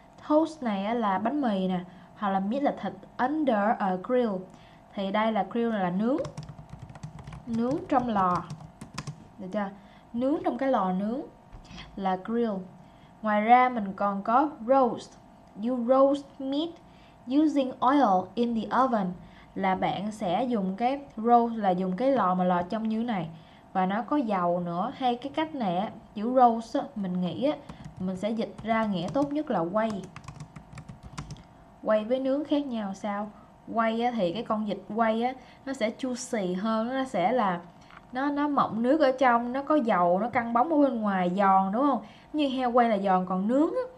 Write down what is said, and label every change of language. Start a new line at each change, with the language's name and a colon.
Vietnamese: Toast này là bánh mì nè, hoặc là meat là thịt,
English: under a grill.
Vietnamese: Thì đây là grill là nướng. Nướng trong lò. Được chưa? Nướng trong cái lò nướng là grill. Ngoài ra mình còn có roast.
English: You roast meat using oil in the oven.
Vietnamese: Là bạn sẽ dùng cái roast là dùng cái lò mà lò trong như này. Và nó có dầu nữa. Hay cái cách này, chữ roast mình nghĩ mình sẽ dịch ra nghĩa tốt nhất là quay. Quay với nướng khác nhau sao? Quay á, thì cái con vịt quay á, nó sẽ juicy hơn, nó sẽ là nó mọng nước ở trong, nó có dầu, nó căng bóng ở bên ngoài, giòn đúng không? Như heo quay là giòn, còn nướng á,